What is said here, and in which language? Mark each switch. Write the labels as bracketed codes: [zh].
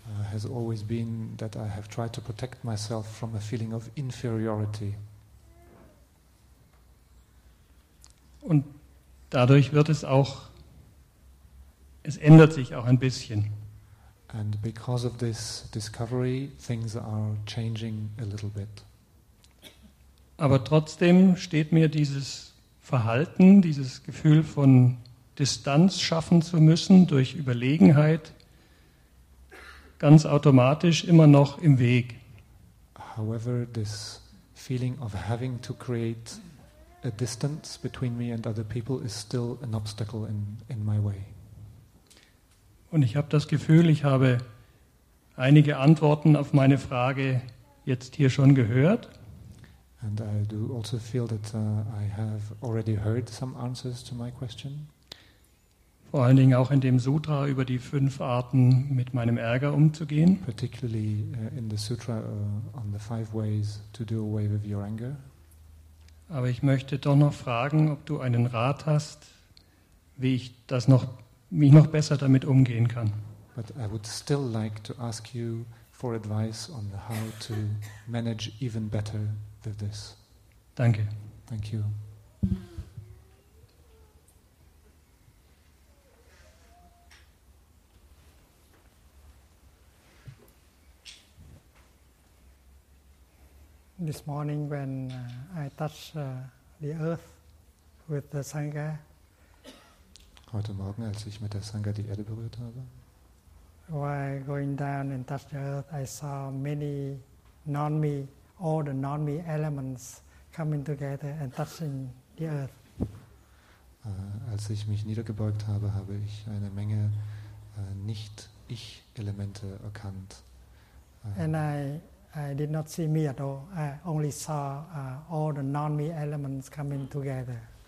[en] Has always been that I have tried to protect myself from a feeling of inferiority. [de] Und dadurch wird es auch, es ändert sich auch ein bisschen. [en] And because of this discovery, things are changing a little bit. [de] Aber trotzdem steht mir dieses Verhalten, dieses Gefühl von Distanz schaffen zu müssen durch Überlegenheit, ganz automatisch immer noch im Weg. [en] However, this feeling of having to create a distance between me and other people is still an obstacle in my way. [de] Und ich habe das Gefühl, ich habe einige Antworten auf meine Frage jetzt hier schon gehört. [en] And I do also feel that I have already heard some answers to my question. [de] Vor allen Dingen auch in dem Sutra über die 5 Arten, mit meinem Ärger umzugehen. [en] Particularly in the Sutra on the 5 ways to do away with your anger. [de] Aber ich möchte doch noch fragen, ob du einen Rat hast, wie ich das noch, mich noch besser damit umgehen kann. [en] But I would still like to ask you for advice on how to manage even better with this. [de] Danke. [en] Thank you. This morning when I touched the earth with the Sangha. [de] Heute Morgen, als ich mit der Sangha die Erde berührt habe. [en] While going down and touched the earth, I saw many non-me, all the non-me elements coming together and touching the earth. [de] Als ich mich niedergebeugt habe, habe ich eine Menge Nicht-Ich-Elemente erkannt. [en] And I did not see me at all. I only saw all the non-me elements coming together.